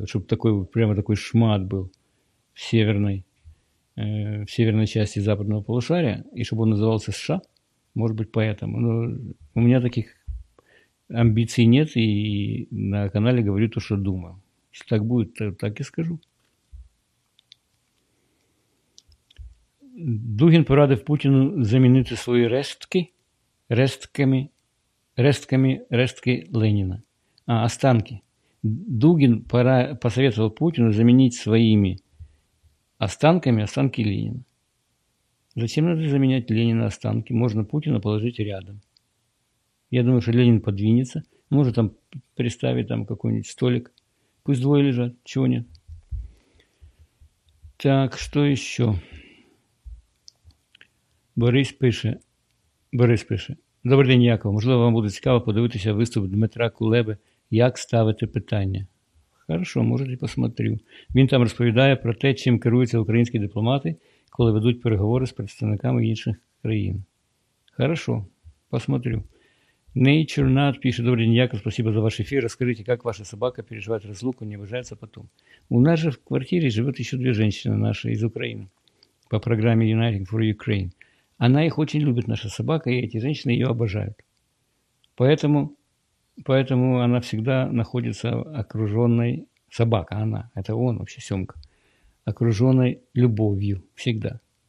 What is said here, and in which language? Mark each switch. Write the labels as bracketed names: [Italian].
[Russian] Вот чтобы такой, прямо такой шмат был в северной части западного полушария, и чтобы он назывался США, может быть, поэтому. Но у меня таких амбиций нет, и на канале говорю то, что думаю. Если так будет, то так и скажу. [Ukrainian] Дугін порадив Путіну замінити свої рештки. Рештками, рештки Леніна. А, останки. [Russian] Дугин посоветовал Путину заменить своими останками останки Ленина. Зачем надо заменять Ленина останки? Можно Путина положить рядом. Я думаю, что Ленин подвинется. Может, там приставить там какой-нибудь столик. Пусть двое лежат. Чего нет? Так, что еще? [Ukrainian] Борис пише. Добрий день, Яков. Можливо, вам буде цікаво подивитися виступ Дмитра Кулеби «Як ставити питання». [Russian] Хорошо, можете, посмотрю. [Ukrainian] Він там розповідає про те, чим керуються українські дипломати, коли ведуть переговори з представниками інших країн. [Russian] Хорошо, посмотрю. [Ukrainian] Nature Nut пише: «Добрий день, Яков. [Russian] Спасибо за ваш ефір. [Ukrainian] Розкажіть, як ваша собака переживає розлуку, не вважається потом?» У нас же в квартирі живуть ще дві жінки наші з України по програмі «Uniting for Ukraine». [Russian] Она их очень любит, наша собака, и эти женщины ее обожают. Поэтому она всегда находится окруженной, собака она, это он вообще, Семка, окруженной любовью всегда.